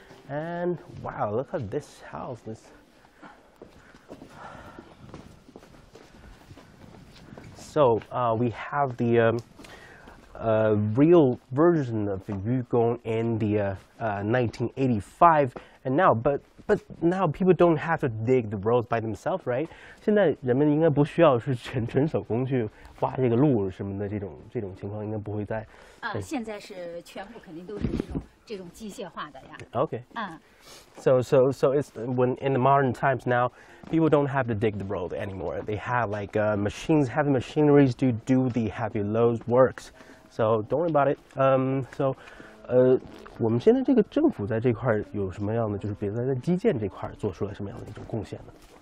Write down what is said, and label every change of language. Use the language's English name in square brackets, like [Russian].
[English] And wow, look at this house. This so we have the. Real version of the Yugong in the 1985, and now, but now people don't have to dig the roads by themselves, right? [Chinese] 现在人们应该不需要是纯手工去挖这个路什么的，这种情况应该不会再。现在是全部肯定都是这种机械化的呀。 [English] Okay. So it's when in the modern times now, people don't have to dig the road anymore. They have like machines, heavy machineries to do the heavy loads works. So don't worry about it. [Chinese] So, 我们现在这个政府在这块有什么样的，就是比如在基建这块做出了什么样的一种贡献呢？